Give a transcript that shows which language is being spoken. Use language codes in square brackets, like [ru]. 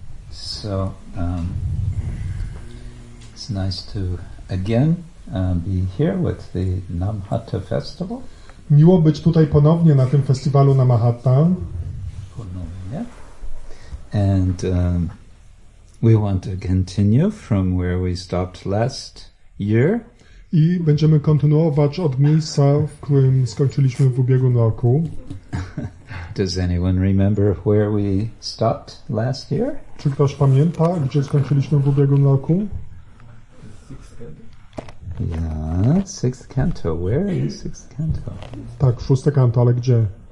[en] So it's nice to again be here with the Namhatta festival. [pl] Miło być tutaj ponownie na tym festiwalu Namhatta. Ponownie. [en] And we want to continue from where we stopped last year. [pl] I będziemy kontynuować od miejsca, w którym skończyliśmy w ubiegłym roku. [en] Does anyone remember where we stopped last year? [pl] Czy ktoś pamięta, gdzie skończyliśmy w ubiegłym roku? [en] Sixth canto. Where is sixth canto? [pl] Tak, szóste canto, ale gdzie?